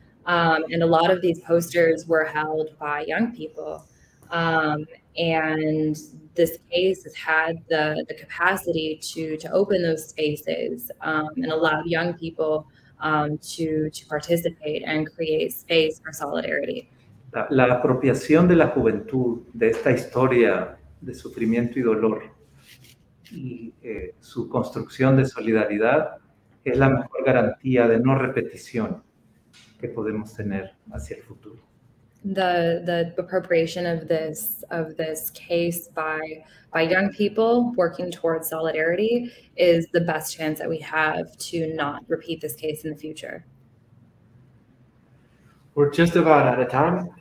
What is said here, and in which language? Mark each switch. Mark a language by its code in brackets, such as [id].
[en] And a lot of these posters were held by young people. And this case has had the capacity to open those spaces and allow young people to participate and create space for solidarity. [es] La apropiación de la juventud de esta historia de sufrimiento y dolor y su construcción de solidaridad es la mejor garantía de no repetición que podemos tener hacia el futuro. [en] The appropriation of this case by young people working towards solidarity is the best chance that we have to not repeat this case in the future. We're just about out of time.